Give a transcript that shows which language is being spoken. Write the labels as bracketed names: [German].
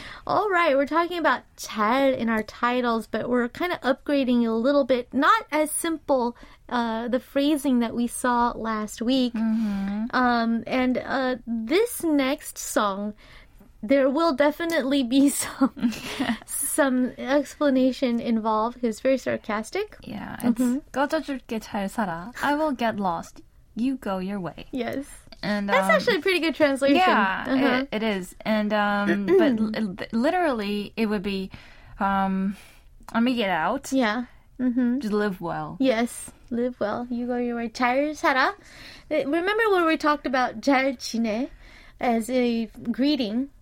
[English] All right, we're talking about 잘 in our titles, but we're kind of upgrading a little bit. Not as simple, the phrasing that we saw last week. Mm-hmm. This next song, there will definitely be some some explanation involved. It's very sarcastic. Yeah, it's [Korean] 꺼져줄게 잘 살아. [English] I will get lost. You go your way. Yes. And, that's actually a pretty good translation. Yeah, it is. And but literally, it would be, let me get out. Yeah. Mm-hmm. Just live well. Yes, live well. You go your way. [Korean] 잘 살아. [English] Remember when we talked about [Korean] 잘 지내 [English] as a greeting?